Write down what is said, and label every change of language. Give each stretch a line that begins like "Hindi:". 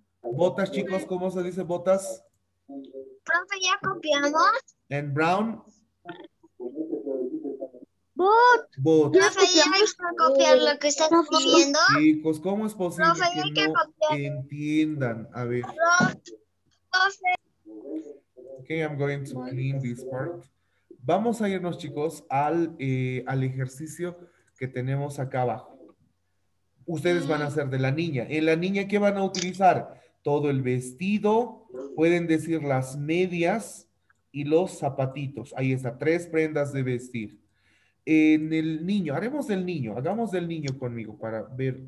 Spanish: Botas, chicos, ¿cómo se dice botas? Profe, ya copiamos.
English: And brown. Boot.
Spanish: Profe, ya hay que copiar lo que estás diciendo. Chicos, ¿cómo es posible que no entiendan? A ver. Profe.
English: Okay, I'm going to clean this part.
Spanish: Vamos a irnos, chicos, al ejercicio que tenemos acá abajo. Ustedes van a ser de la niña. ¿En la niña qué van a utilizar? Todo el vestido, pueden decir las medias y los zapatitos. Ahí está, tres prendas de vestir. En el niño, haremos del niño, hagamos del niño conmigo para ver.